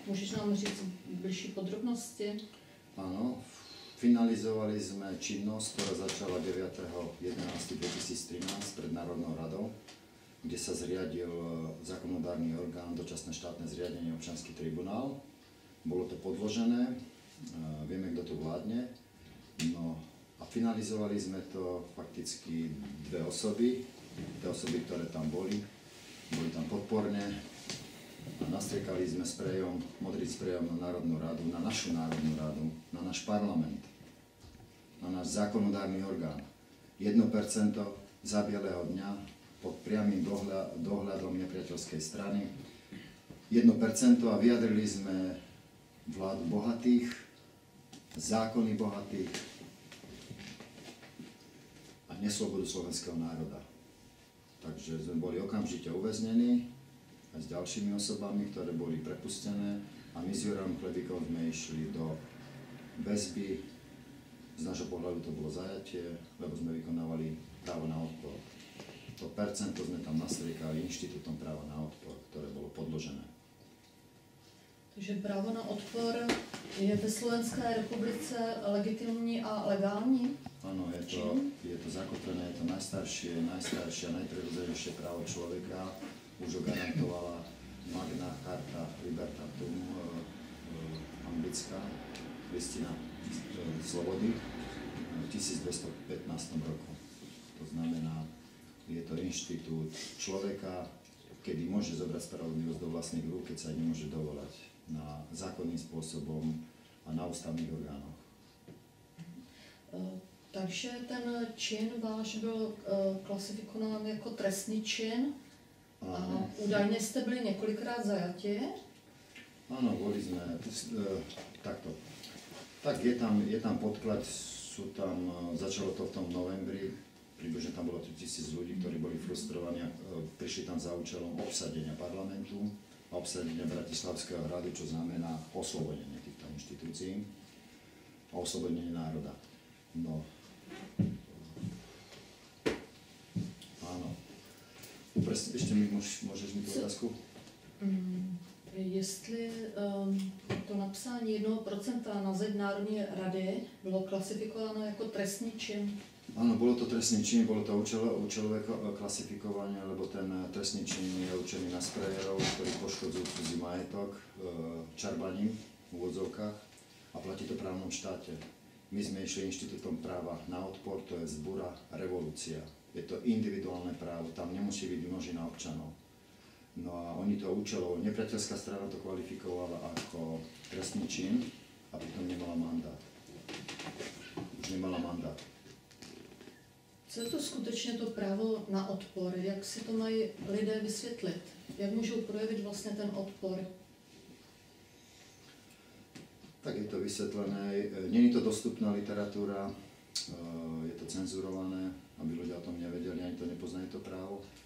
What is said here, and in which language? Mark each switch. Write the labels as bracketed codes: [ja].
[cs] Můžeš nám říct bližší podrobnosti? Ano, finalizovali jsme činnost, která začala [sk] 9.11.2013 před Národnou radou, kde sa zriadil zákonodárny orgán, dočasné štátne zriadenie, občanský tribunál. Bolo to podložené, vieme, kto to vládne. No a finalizovali sme to fakticky dve osoby. Tie osoby, ktoré tam boli, boli tam podporné. A nastriekali sme sprejom, modrý sprejom na Národnú radu, na našu Národnú radu, na náš parlament, na náš zákonodárny orgán. 1% za bielého dňa, pod priamým dohľadom nepriateľskej strany. 1% a vyjadrili sme vládu bohatých, zákony bohatých a neslobodu slovenského národa. Takže sme boli okamžite uväznení a s ďalšími osobami, ktoré boli prepustené a my s Jurajom Chlebíkom sme išli do väzby. Z našho pohľadu to bolo zajatie, lebo sme vykonávali právo na odpor. To percento sme tam nastriekali inštitútom práva na odpor, ktoré bolo podložené. [cs] Takže právo na odpor je ve Slovenskej republice legitimní a legální? [sk] Áno, je to zakotvené, je to najstaršie a najprirodzenejšie právo človeka. Už ho garantovala Magna Carta Libertatum anglická listina slobody v 1215 roku. To znamená, je to inštitút človeka, kedy môže zobrať spravodlivosť do vlastných rúk, keď sa nemôže dovolať na zákonným spôsobom a na ústavných orgánoch. [cs] Takže ten čin váš byl klasifikován jako trestný čin a údajne ste byli několikrát zajatie? [sk] Áno, boli sme takto. Tak je tam podklad, sú tam, začalo to v tom novembri, približne tam bolo 3000 ľudí, ktorí boli frustrovaní a prišli tam za účelom obsadenia parlamentu a obsadenia Bratislavského hradu, čo znamená oslobodenie týchto inštitúcií a oslobodenie národa. No. Áno. Ešte mi môžeš mi tú otázku? [cs] Jestli to napsání 1% na zeď Národní rady bylo klasifikováno jako trestný čin? [sk] Áno, bolo to trestný čin, bolo to účelové klasifikovanie, lebo ten trestný čin je určený na sprejerov, ktorí poškodzujú cudzí majetok čarbaním v úvodzovkách a platí to v právnom štáte. My sme išli inštitútom práva na odpor, to je zbúra, revolúcia. Je to individuálne právo, tam nemusí byť množina občanov. No a oni to účelovo, nepriateľská strana to kvalifikovala ako trestný čin a pritom nemala mandát. Už nemala mandát. [cs] Co je to skutečně to právo na odpor? Jak si to mají lidé vysvětlit? Jak můžou projevit vlastně ten odpor? [sk] Tak je to vysvětlené. [cs] Není to dostupná literatura, je to cenzurované, aby lidé o tom nevěděli, ani to nepoznají to právo.